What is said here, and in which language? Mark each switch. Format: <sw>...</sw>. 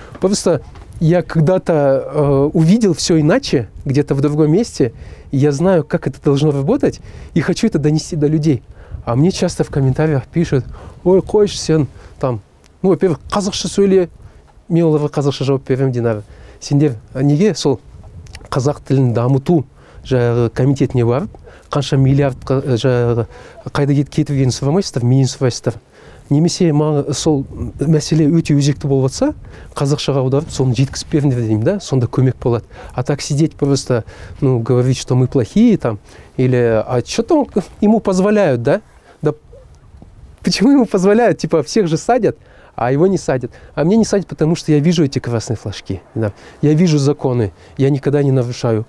<ru>Просто я когда-то увидел все иначе, где-то в другом месте. Я знаю, как это должно работать, и хочу это донести до людей. А мне часто в комментариях пишут: «Ой, хочешь сен там, ну, во-первых,</ru> <kk>казахша сөйле, мен оларға казахша жауап берем,</kk> <ru>Динара.</ru> <kk>Сендер, неге сол қазақ тілін дамыту жағы комитетіне барып, қанша миллиард жағы қайда кетіп ең сұрамайсыздар, мен сұрайсыздар. Немесе сол мәселе өте өзекті болатса, қазақшаға аударып, соны жеткізіп беріңдер деймін, да? Сонда көмек болады.</kk> <ru>А так сидеть просто, ну, говорить, что мы плохие там, или, а что там ему позволяют, да? Да почему ему позволяют? Типа, всех же садят, а его не садят. А мне не садят, потому что я вижу эти красные флажки, да? Я вижу законы, я никогда не нарушаю.</ru>